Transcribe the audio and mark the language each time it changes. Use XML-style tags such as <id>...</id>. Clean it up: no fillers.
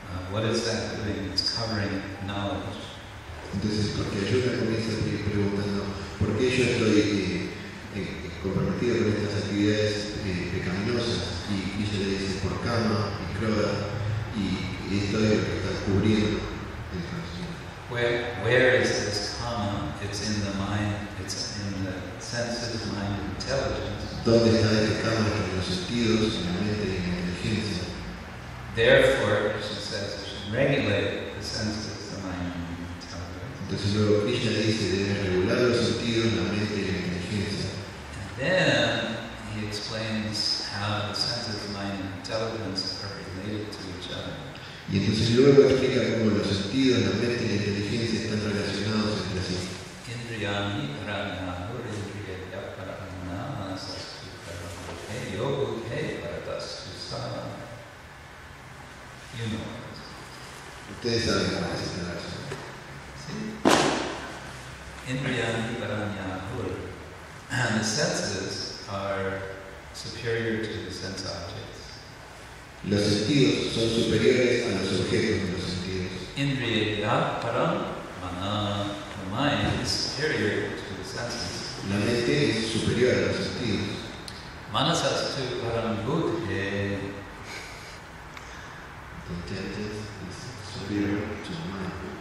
<en>What is that doing? It's covering knowledge.</en> <es>Entonces, porque Arjuna comienza preguntando, ¿por qué yo estoy comprometido con estas actividades pecaminosas? Y Krishna le dice, por kama y krodha, y esto es lo que está cubriendo el conocimiento.</es> <en>Where is this kama? It's in the mind, it's in the senses, mind, intelligence.</en> <es>¿Dónde está este karma? En los sentidos, en la mente y en la inteligencia.</es> <en>Therefore, Krishna says, it should regulate the senses, the mind, and the intelligence.</en> <es>Entonces luego Krishna dice, debe regular los sentidos, la mente y la inteligencia.</es> <en>And then he explains how the senses, mind, and intelligence are related to each other.</en> <es>Y entonces luego explica cómo los sentidos, la mente y la inteligencia están relacionados entre sí.</es> <sa>Indriyani pranahur indriyaya parana sastukarabhute yoguhe paratasusana.</sa> <en>You know it.</en> <es>Ustedes saben cómo es esta relación.</es> <sa>Sí. Indriyani pranahur.</sa> <en>And the senses are superior to the sense objects.</en> <es>Los sentidos son superiores a los objetos de los sentidos.</es> <sa>Indriya param mana,</sa> <en>the mind is superior to the senses.</en> <es>La mente es superior a los sentidos.</es> <sa>Manasas tu param buddhe.</sa> <en>The intent is superior to the mind.</en>